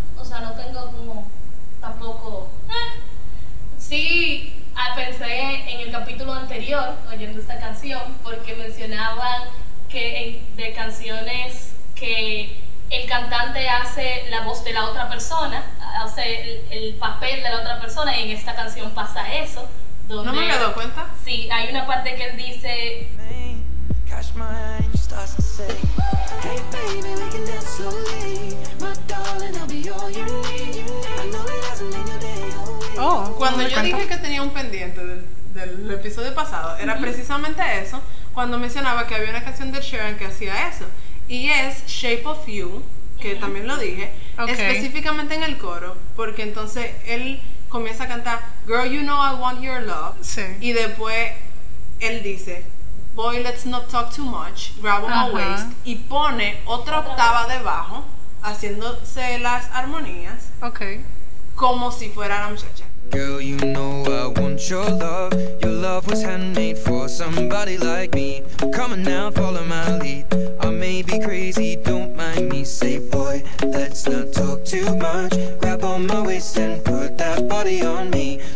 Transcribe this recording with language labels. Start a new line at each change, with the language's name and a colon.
Spanish: O sea, no tengo como tampoco. Sí, pensé en el capítulo anterior oyendo esta canción, porque mencionaban que de canciones que el cantante hace la voz de la otra persona, hace el papel de la otra persona, y en esta canción pasa eso. Donde, ¿no me había dado cuenta? Sí, hay una parte que él dice.
English: catch my eye and she starts to say, hey baby, we can dance slowly. My darling, I'll be all you need. I know it hasn't been your day. Oh,
Spanish: cuando yo dije que tenía un pendiente del episodio pasado, era precisamente eso, cuando mencionaba que había una canción de Sharon que hacía eso, y es Shape of You, que también lo dije, específicamente en el coro, porque entonces él comienza a cantar,
English: Girl, you know I want your love,
Spanish: sí. Y después él dice,
English: Boy, let's not talk too much, grab on my waist,
Spanish: y pone otra octava debajo, haciéndose las armonías. Ok. Como si fuera la muchacha.
English: Girl, you know I want your love. Your love was handmade for somebody like me. Come on now, follow my lead. I may be crazy, don't mind me. Say, boy, let's not talk too much. Grab on my waist and put that body on me.